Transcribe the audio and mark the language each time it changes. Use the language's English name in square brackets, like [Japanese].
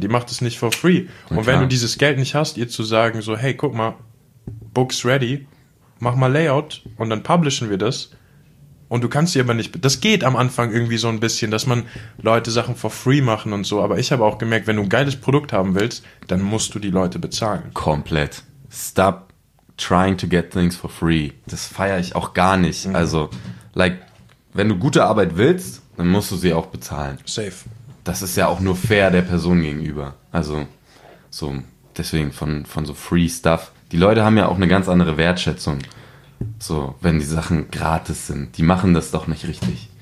[German] Die macht es nicht [English] for free. [German] Und wenn du dieses Geld nicht hast, ihr zu sagen, so, hey, guck mal, [English] Book's ready, [German] mach mal Layout und dann publishen wir das. Und du kannst sie aber nicht, das geht am Anfang irgendwie so ein bisschen, dass man Leute Sachen [English] for free [German] machen und so. Aber ich habe auch gemerkt, wenn du ein geiles Produkt haben willst, dann musst du die Leute bezahlen. Komplett. [English] Stop trying to get things for free. [German] Das feiere ich auch gar nicht. Also, like, wenn du gute Arbeit willst, dann musst du sie auch bezahlen. Safe. Das ist ja auch nur fair der Person gegenüber. Also, so, deswegen von so [English] free stuff. [German] Die Leute haben ja auch eine ganz andere Wertschätzung. So, wenn die Sachen gratis sind. Die machen das doch nicht richtig.